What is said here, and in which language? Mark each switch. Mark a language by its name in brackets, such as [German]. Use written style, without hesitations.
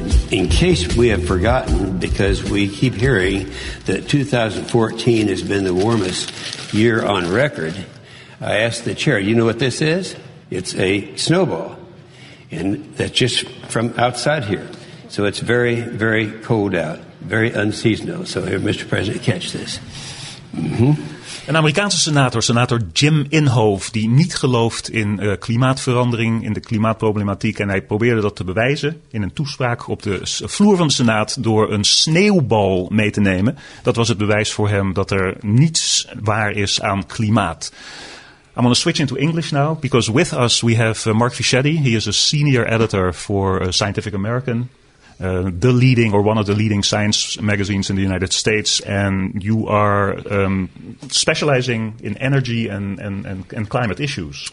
[English] In case we have forgotten, because we keep hearing that 2014 has been the warmest year on record, I asked the chair, you know what this is? It's a snowball. And that's just from outside here. So it's very, very cold out, very unseasonal. So here, Mr. President, catch this. Mm-hmm. [Dutch] Een Amerikaanse senator Jim Inhofe, die niet gelooft in klimaatverandering, in de klimaatproblematiek. En hij probeerde dat te bewijzen in een toespraak op de vloer van de Senaat door een sneeuwbal mee te nemen. Dat was het bewijs voor hem dat er niets waar is aan klimaat. [English] I'm going to switch into English now, because with us we have Mark Fischetti. He is a senior editor for Scientific American, the leading or one of the leading science magazines in the United States, and you are specializing in energy and climate issues.